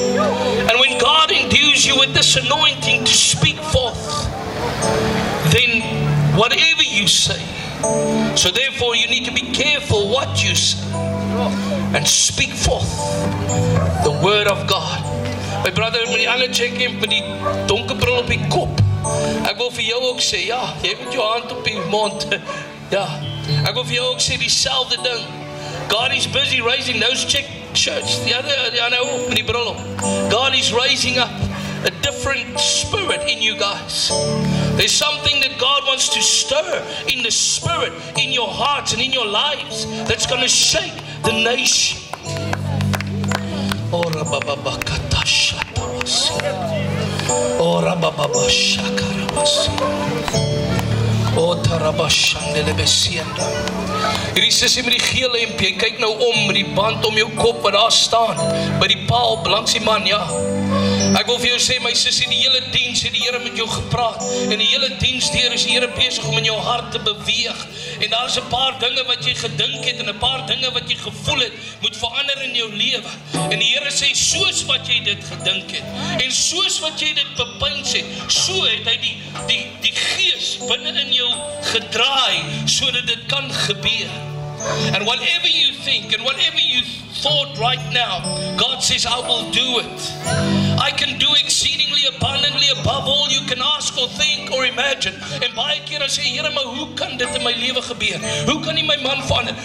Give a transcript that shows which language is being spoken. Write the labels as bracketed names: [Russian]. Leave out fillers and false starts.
[English] And when God endues you with this anointing to speak forth, then whatever you say, so therefore you need to be careful what you say and speak forth the word of God. My brother, [Afrikaans] met die ander check in, met die donker bril op die kop, ek wil vir jou ook sê, ja, jy met jou hand op die mond, ja, ek wil vir jou ook sê dieselfde ding. [English] God is busy raising those check church, the other [Afrikaans] ook met die bril op. [English] God is raising up a different spirit in you guys. There's something that God wants to stir in the spirit, in your hearts and in your lives, that's going to shake the nation. Oh, Rabba Katasha Tawasi. Oh, Rabba Shakarabasi. Oh, Tarabashandelebesi. [Afrikaans] Hierdie sissie met die geel hemp, jy kyk nou om met die band om jou kop wat daar staan by die paal langs die man, ja. Ek wil vir jou sê, my sissie, die hele diens het die Here met jou gepraat en die hele diens deur is die Here besig om in jou hart te beweeg. En daar is 'n paar dinge wat jy gedink het en 'n paar dinge wat jy gevoel het moet verander in jou lewe. En die Here sê, soos wat jy dit gedink het en soos wat jy dit bepyns het, so het hy die gees binne in jou gedraai sodat dit kan gebeur. [English] And whatever you think and whatever you thought right now, God says, I will do it. I can do exceedingly abundantly above all you can ask or think or imagine. [Afrikaans] En baie keer as jy, Here, maar hoe kan dit in my lewe gebeur? Hoe kan nie my man verander?